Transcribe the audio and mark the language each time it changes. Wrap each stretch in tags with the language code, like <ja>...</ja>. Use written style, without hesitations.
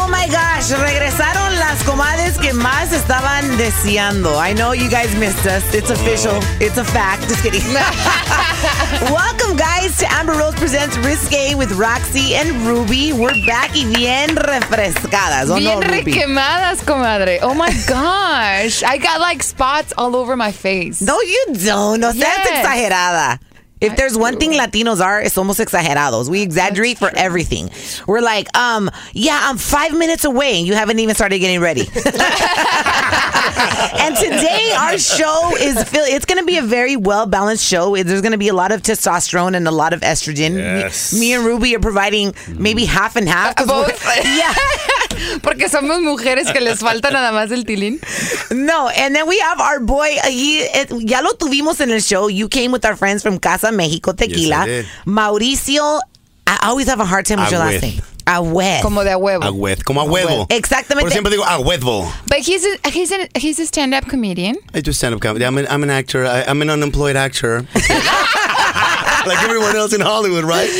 <es>Gosh, regresaron las comadres que más estaban deseando.</es> <en>I know you guys missed us. It's official. It's a fact. Just kidding. Welcome, guys, to Amber Rose Presents Risqué with Roxy and Ruby. We're back</en> <es>y bien refrescadas. Oh, bien requemadas, comadre.</es> <en>Oh, my gosh. I got, like, spots all over my face. No, you don't. No, yes.</en> <es>Seas exagerada.</es> <en>If there's one thing Latinos are, it's almost exagerados. We exaggerate for everything. We're like, yeah, I'm 5 minutes away and you haven't even started getting ready. And today our show is, it's going to be a very well-balanced show. There's going to be a lot of testosterone and a lot of estrogen. Yes. Me and Ruby are providing maybe half and half. Both? Yeah.</en> <es>Porque somos mujeres que les falta nada más el tilín.</es> <en>No, and then we have our boy.</en> <es>Ya lo tuvimos en el show.</es> <en>You came with our friends from Casa Mexico Tequila. Yes, I did. Mauricio, I always have a hard time with your last name.</en> <es>Agüez. Como de a huevo. Agüez. Como a huevo. Exactamente. Por siempre digo agüezbo.</es> <en>But he's a stand-up comedian. I do stand-up comedy. I'm an actor. I'm an unemployed actor. Like everyone else in Hollywood, right?</en>